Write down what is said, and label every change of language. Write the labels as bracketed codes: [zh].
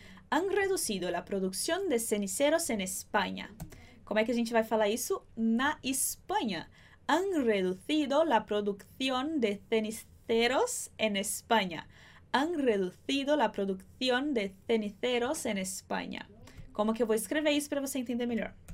[es] Han reducido la producción de ceniceros en España. [pt] Como é que a gente vai falar isso na Espanha? [es] Han reducido la producción de ceniceros en España. Han reducido la producción de ceniceros en España. [pt] Como que eu vou escrever isso para você entender melhor?